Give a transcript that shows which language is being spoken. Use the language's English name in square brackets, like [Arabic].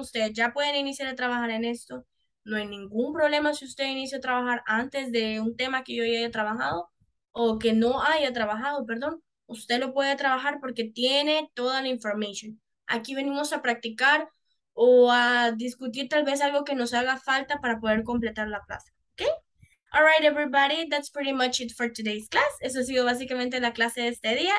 [Spanish] Ustedes ya pueden iniciar a trabajar en esto. No hay ningún problema si usted inicia a trabajar antes de un tema que yo haya trabajado o que no haya trabajado, perdón. Usted lo puede trabajar porque tiene toda la información. Aquí venimos a practicar o a discutir tal vez algo que nos haga falta para poder completar la clase, ¿ok? [English] All right, everybody, that's pretty much it for today's class. [Spanish] Eso ha sido básicamente la clase de este día.